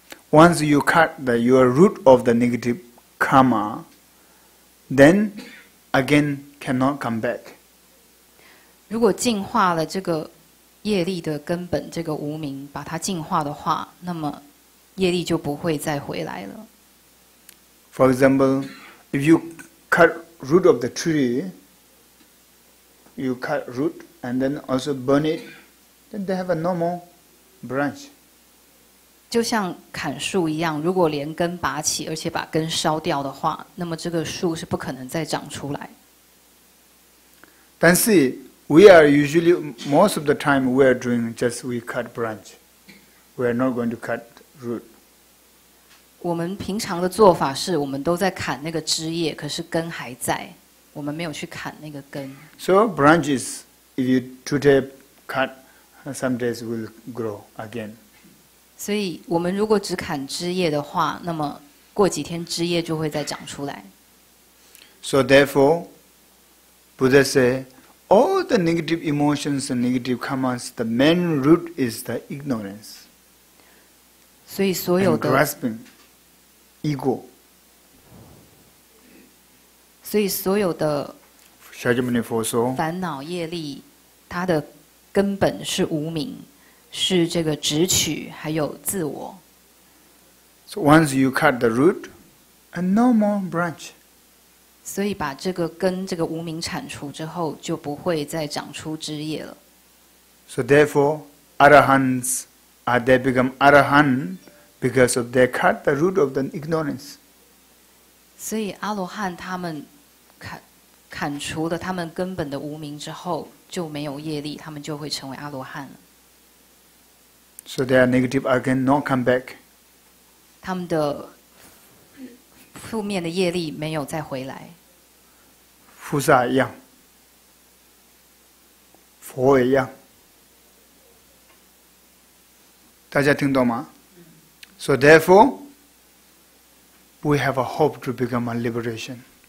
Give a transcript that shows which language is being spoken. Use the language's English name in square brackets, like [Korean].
[English] Once you cut the your root of the negative karma, then again cannot come back。 [Chinese] 如果净化了这个业力的根本，这个无明，把它净化的话，那么业力就不会再回来了。 [English] For example, if you cut root of the tree, you cut root and then also burn it, then they have a normal branch. [Chinese] 就像砍树一样，如果连根拔起，而且把根烧掉的话，那么这个树是不可能再长出来。但是 [English] we are usually most of the time we are doing just we cut branch. We are not going to cut. [Chinese] 我们平常的做法是我们都在砍那个枝叶，可是根还在，我们没有去砍那个根。 [English] So branches, if you today cut, some days will grow again. [Chinese] 所以我们如果只砍枝叶的话，那么过几天枝叶就会再长出来。 [English] So therefore, Buddha said, all the negative emotions and negative karmas, the main root is the ignorance. [Chinese] 所以所有的一过。所以所有的夏加门尼佛说，烦恼业力，它的根本是无明，是这个执取，还有自我。 [English] So once you cut the root, and no more branch. [Chinese] 所以把这个根、这个无明铲除之后，就不会再长出枝叶了。 [English] So therefore, arahants are they become arahan because of they cut the root of the ignorance. [Chinese] 所以阿罗汉他们砍除了他们根本的无明之后，就没有业力，他们就会成为阿罗汉了。 [English] So they are negative again, not come back. [Chinese] 他们的负面的业力没有再回来。菩萨一样，佛也一样，大家听懂吗？ [English] So therefore, we have a hope to become a liberation.